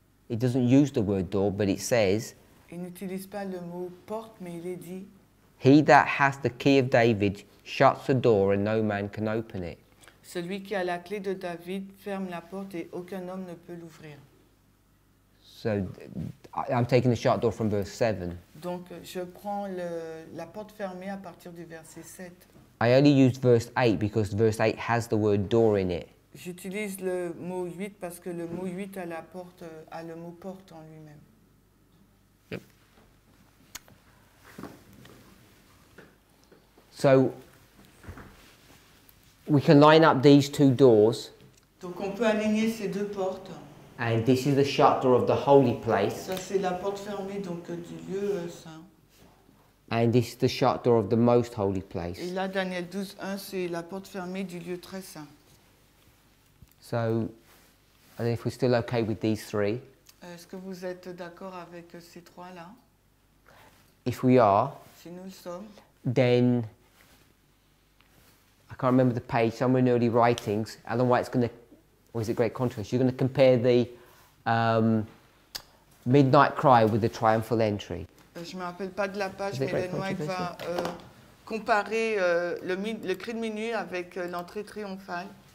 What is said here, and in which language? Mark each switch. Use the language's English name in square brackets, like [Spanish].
[English] It doesn't use the word door, but it says, [French] il n'utilise pas le mot porte, mais il est dit, [English] he that has the key of David shuts the door and no man can open it. [French] Celui qui a la clé de David ferme la porte et aucun homme ne peut l'ouvrir. [English] So I'm taking the shut door from verse 7. [French] Donc je prends la porte fermée à partir du verset 7. [English] I only used verse 8 because verse 8 has the word door in it. [French] J'utilise le mot 8 parce que le mot 8 à la porte a le mot porte en lui-même. [English] Yep. So we can line up these two doors. [French] Donc on peut aligner ces deux portes. [English] And this is the shut door of the holy place. [French] Ça c'est la porte fermée donc du lieu saint. [English] And this is the shut door of the most holy place. [French] Et là Daniel 12, 1, c'est la porte fermée du lieu très saint. [English] So, and if we're still okay with these three? [French] Est-ce que vous êtes d'accord avec ces trois-là? [English] If we are, [French] si nous le sommes, [English] then I can't remember the page, somewhere in early writings, Ellen White's going to, or is it Great Controversy? You're going to compare the Midnight Cry with the Triumphal Entry. [French] Je ne me rappelle pas de la page, mais Ellen White va comparer le cri de minuit avec l'entrée triomphale.